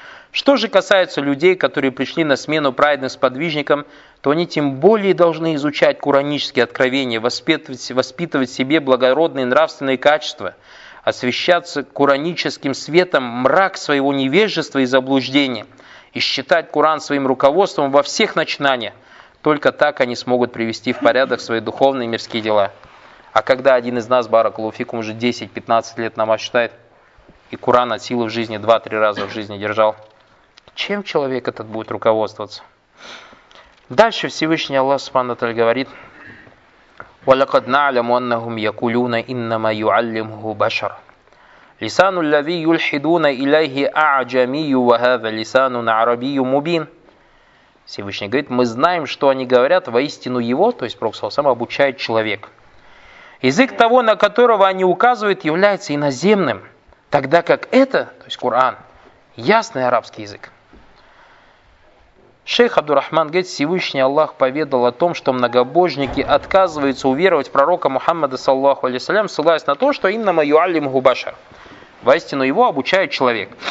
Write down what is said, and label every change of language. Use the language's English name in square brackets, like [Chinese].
[Russian] Что же касается людей, которые пришли на смену праведным сподвижникам, то они тем более должны изучать куранические откровения, воспитывать в себе благородные нравственные качества, освещаться кураническим светом мрак своего невежества и заблуждения и считать Коран своим руководством во всех начинаниях, Только так они смогут привести в порядок свои духовные и мирские дела. А когда один из нас, баракаллаху фикум, уже 10-15 лет намаз читает, и Куран от силы в жизни 2-3 раза в жизни держал, чем человек этот будет руководствоваться? Дальше Всевышний Аллах Субхану Таля говорит: [Arabic] وَلَقَدْ نَعْلَمُ أَنَّهُمْ يَكُلُونَ إِنَّمَا يُعَلِّمُهُ بَشَرٌ لِسَانُ الَّذِي يُلْحِدُونَ إِلَيْهِ أَعْجَمِيُّ وَهَذَا لِسَانٌ عَرَبِيُّ مُبِينٌ. [Russian] Всевышний говорит: мы знаем, что они говорят, воистину его, то есть Пророк сам обучает человек. Язык того, на которого они указывают, является иноземным, тогда как это, то есть Коран, ясный арабский язык. Шейх Абдурахман говорит: Всевышний Аллах поведал о том, что многобожники отказываются уверовать в пророка Мухаммада, саллаху алейсалям, ссылаясь на то, что [Arabic] «иннама юаллимуху башар» [Russian] – воистину его обучает человек.